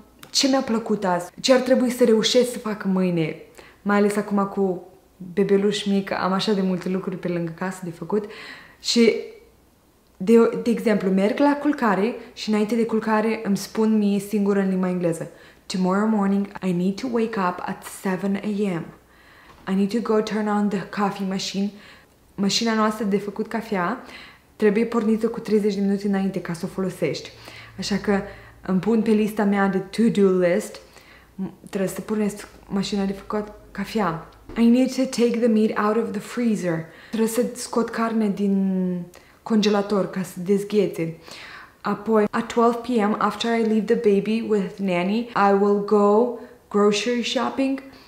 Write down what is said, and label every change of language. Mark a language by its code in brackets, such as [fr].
[ro] ce mi-a plăcut azi, ce ar trebui să reușesc să fac mâine, mai ales acum cu bebeluș mic, am așa de multe lucruri pe lângă casă de făcut și, de exemplu, merg la culcare și înainte de culcare îmi spun mie singură în limba engleză: [en] tomorrow morning I need to wake up at 7 a.m. I need to go turn on the coffee machine. [ro] Mașina noastră de făcut cafea trebuie pornită cu 30 de minute înainte ca să o folosești. Așa că îmi pun pe lista mea de to-do list, trebuie să pornesc mașina de făcut cafea. [en] I need to take the meat out of the freezer. [ro] Trebuie să scot carne din congelator ca să dezghețe. Apoi, [en] at 12 p.m. after I leave the baby with nanny, I will go grocery shopping.